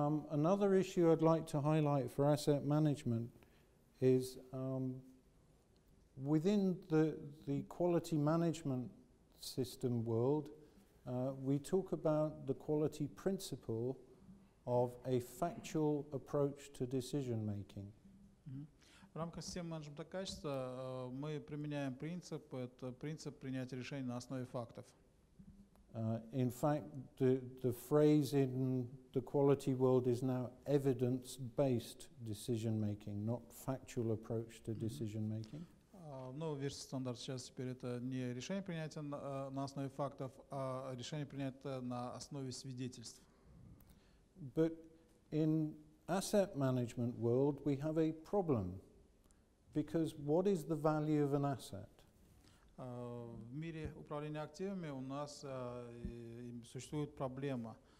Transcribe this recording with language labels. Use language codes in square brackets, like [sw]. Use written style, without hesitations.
[en] Another issue I'd like to highlight for asset management is within the quality management system world, we talk about the quality principle of a factual approach to decision making. Mm-hmm. [ru] В рамках системы менеджмента качества мы применяем принцип, это принцип принятия решений на основе фактов. [en] In fact, the phrase in the quality world is now evidence-based decision making, not factual approach to decision making. [ru] Новая версия стандарта сейчас теперь это не решение принятия на основе фактов, а решение принятия на основе свидетельств. [en] But in asset management world, we have a problem. Because what is the value of an asset? [ru] В мире управления активами у нас существует проблема.